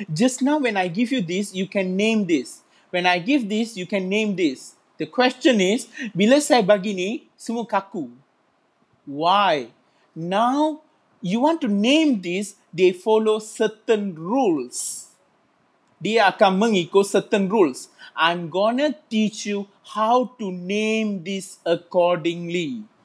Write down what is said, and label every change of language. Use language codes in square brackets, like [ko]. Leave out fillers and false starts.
[en] Just now when I give you this, you can name this. When I give this, you can name this. [ms] The question is, bila saya bagi ni, semua kaku. [en] Why? Now, you want to name this, they follow certain rules. Dia akan mengikut certain rules. I'm gonna teach you how to name this accordingly.